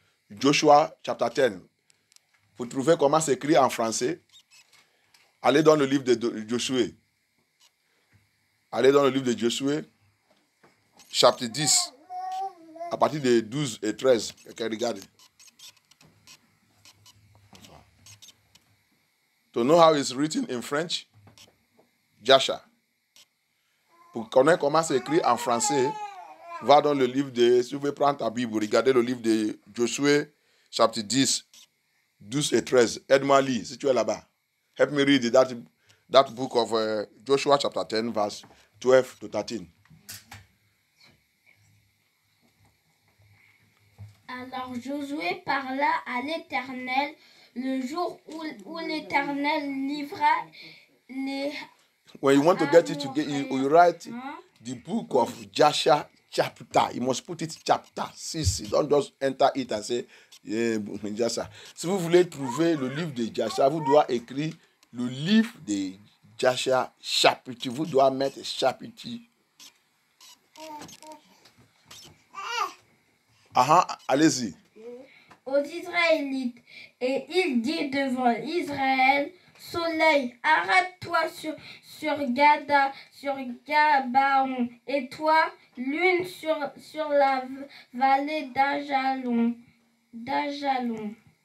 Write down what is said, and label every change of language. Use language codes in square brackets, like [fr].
[fr] Joshua, chapitre 10. Vous trouvez comment s'écrit en français? Allez dans le livre de Joshua. Allez dans le livre de Joshua, chapitre 10, à partir de 12 et 13. Quelqu'un regarde. [en] To know how it's written in French, Joshua. [fr] Pour connaître comment c'est écrit en français, va dans le livre de, si vous pouvez prendre ta Bible, regardez le livre de Joshua, chapitre 10, 12 et 13. Aide-moi à lire, si tu es là-bas. [en] Help me read that book of Joshua, chapter 10, verse 12 to 13. [fr] Alors Josué parla à l'Éternel le jour où l'Éternel livra les... [en] When you want to get it, you write the book of Joshua chapter. You must put it chapter. See, don't just enter it and say, yeah, Joshua. [fr] Si vous voulez trouver le livre de Joshua, vous devez écrire le livre de Joshua, chapitre, vous devez mettre chapitre. Allez-y. Aux Israélites, et il dit devant Israël, soleil, arrête-toi sur Gabaon, et toi, lune sur la vallée d'Ajalon.